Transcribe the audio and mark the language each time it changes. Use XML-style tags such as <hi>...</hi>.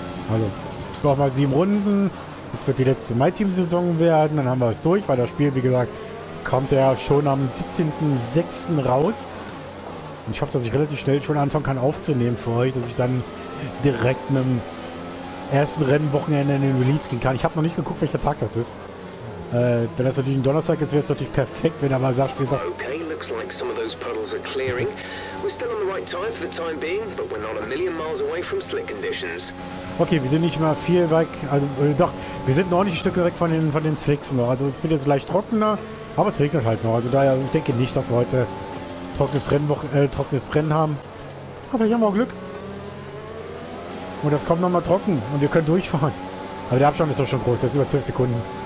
<de>Also, noch mal 7 Runden. Jetzt wird die letzte MyTeam-Saison werden, dann haben wir es durch, weil das Spiel, wie gesagt, kommt ja schon am 17.06. raus. Und ich hoffe, dass ich relativ schnell schon anfangen kann aufzunehmen für euch, dass ich dann direkt mit dem ersten Rennwochenende in den Release gehen kann. Ich habe noch nicht geguckt, welcher Tag das ist. Wenn das natürlich ein Donnerstag ist, wäre es natürlich perfekt, wenn er mal sagt, wie gesagt.</de> <en>Okay, looks like some of those puddles are clearing. We're still on the right time for the time being, but we're not a million miles away from slick conditions.</en> <de>Okay, wir sind nicht mal viel weg, also doch, wir sind noch nicht ein Stück weg von den Slicks noch. Also es wird jetzt leicht trockener, aber es regnet halt noch. Also daher, ich denke nicht, dass wir heute trockenes Rennen haben. Aber vielleicht haben wir auch Glück. Und das kommt nochmal trocken und wir können durchfahren. Aber der Abstand ist doch schon groß, das ist über 12 Sekunden.</de>